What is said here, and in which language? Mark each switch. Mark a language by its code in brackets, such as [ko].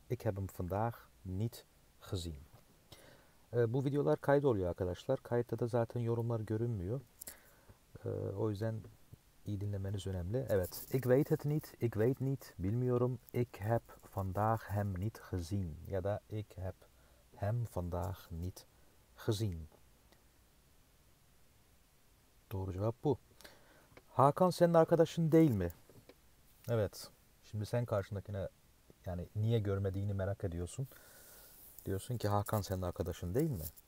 [nl] Ik heb hem vandaag niet gezien. [tr] Bu videolar kayıt oluyor arkadaşlar. Kayıtta da zaten yorumlar görünmüyor. O yüzden iyi dinlemeniz önemli. Evet. [nl] Ik weet het niet. Ik weet niet. [tr] Bilmiyorum. [nl] Ik heb vandaag hem niet gezien. [tr] Ya da [nl] ik heb hem vandaag niet gezien. [tr] Doğru cevap bu. Hakan senin arkadaşın değil mi? Evet. Şimdi sen karşındakine yani niye görmediğini merak ediyorsun. Diyorsun ki Hakan senin arkadaşın değil mi?